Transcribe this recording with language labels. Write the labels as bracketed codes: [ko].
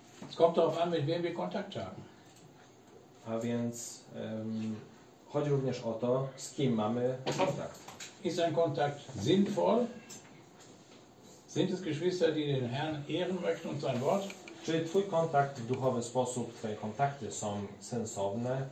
[de] Es kommt darauf an, mit wem wir Kontakt haben. [pl] A więc chodzi również o to, z kim mamy kontakt. [de] Ist ein Kontakt sinnvoll? Sind es Geschwister, die den Herrn ehren möchten und sein Wort? [pl] Czy twój kontakt w duchowy sposób, twoje kontakty są sensowne?